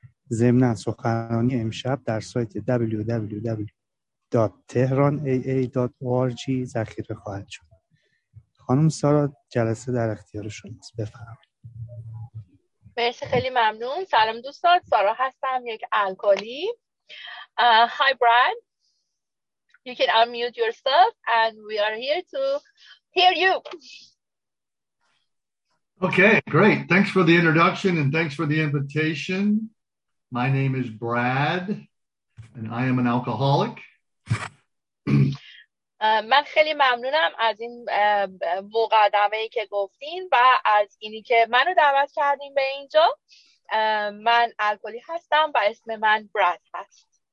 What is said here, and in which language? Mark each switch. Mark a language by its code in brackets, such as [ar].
[fa] ضمن سخنرانی امشب در سایت www.tehranaa.org ذخیره خواهد شد. خانم سارا، جلسه در اختیار شماست، بفرمایید. مرسی، خیلی ممنون. سلام دوستان، سارا هستم، یک الکلی. [en] Hi Brad, you can unmute yourself and we are here to hear you. Okay, great. Thanks for the introduction and thanks for the invitation. My name is Brad and I am an alcoholic. [fa] من خیلی ممنونم از این مقدمه‌ای که گفتین و از اینی که منو دعوت کردین به اینجا. من الکلی هستم و اسم من براد هست.